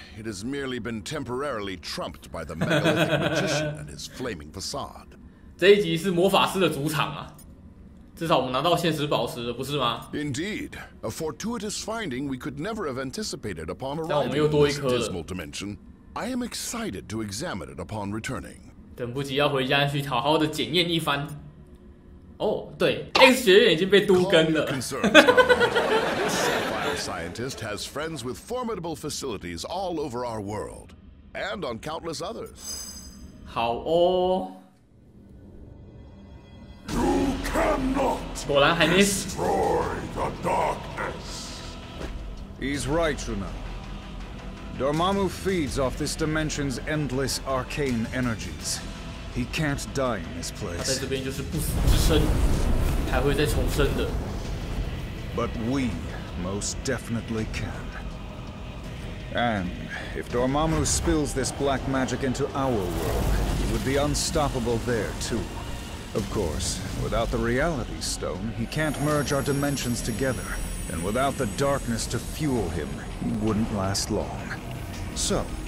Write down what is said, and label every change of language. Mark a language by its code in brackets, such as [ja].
[en] It has merely been temporarily trumped by the megalithic magician and his flaming facade. [zh] 这一集是魔法师的主场啊！至少我们拿到现实宝石了，不是吗？ [en] Indeed, a fortuitous finding we could never have anticipated upon arriving in this dismal dimension. I am excited to examine it upon returning. [zh] 等不及要回家去好好的检验一番。哦，对 ，X 学院已经被都更了。 [en] Sapphire scientist has friends with formidable facilities all over our world, and on countless others. [zh] 好哦。 [en] You cannot. [zh] 果然还没死。 [en] Destroy the darkness. He's right, Runa. Dormammu feeds off this dimension's endless arcane energies. He can't die in this place. [zh] 他在这边就是不死之身，还会再重生的。 [en] But we most definitely can. And if Dormammu spills this black magic into our world, he would be unstoppable there too. Of course, without the Reality Stone, he can't merge our dimensions together. And without the darkness to fuel him, he wouldn't last long. So.